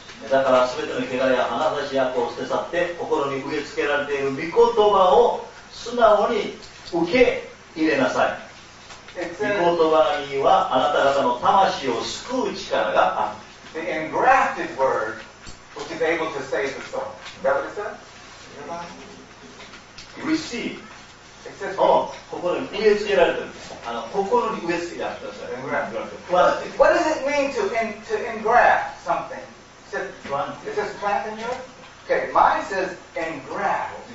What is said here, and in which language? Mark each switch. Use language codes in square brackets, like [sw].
[ja] だから全ての汚れや花差しやこう捨て去って心に植え付けられている御言葉を素直に受け入れなさい。御言葉にはあなた方の魂を救う力がある。 [en] The engrafted word which is able to save the soul. Is that what it says? Receive. It says, [ja] 心に植え付けられてる。心に植え付けられてる。 [en] Engrafted. What does it mean to engraft something? It says plant in your... Okay, mine says engraft.